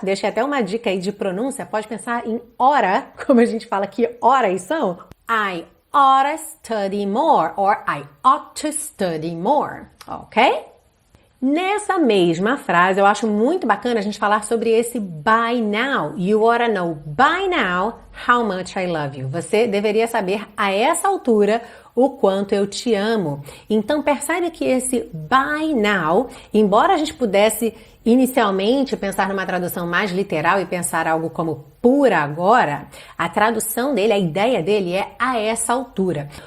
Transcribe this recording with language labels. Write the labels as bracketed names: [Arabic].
[Portuguese] Deixei até uma dica aí de pronúncia. Pode pensar em ora, como a gente fala que horas são. [English] I oughta study more. Or I ought to study more. Ok? [Portuguese] Nessa mesma frase, eu acho muito bacana a gente falar sobre esse by now. [English] You oughta know by now how much I love you. [Portuguese] Você deveria saber a essa altura o quanto eu te amo. Então percebe que esse by now, embora a gente pudesse inicialmente pensar numa tradução mais literal e pensar algo como por agora, a tradução dele, a ideia dele é a essa altura.